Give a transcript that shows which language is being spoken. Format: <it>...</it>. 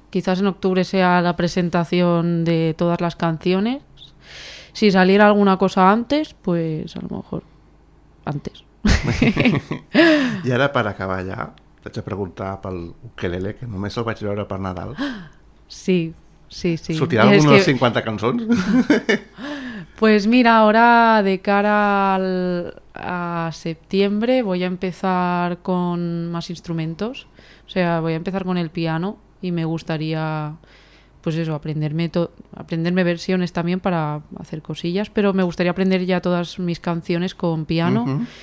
<es>Quizás en octubre sea la presentación de todas las canciones. Si saliera alguna cosa antes, pues a lo mejor antes.</es> <ca>I ara per acabar ja, t'haig de preguntar pel ukelele, que només el vaig veure per Nadal. Sí, sí, sí. Sortirà alguna de les 50 cançons?</ca> <es>Pues mira, ahora de cara a septiembre voy a empezar con más instrumentos. O sea, voy a empezar con el piano y me gustaría, pues eso, aprenderme versiones también para hacer cosillas, pero me gustaría aprender ya todas mis canciones con piano.</es>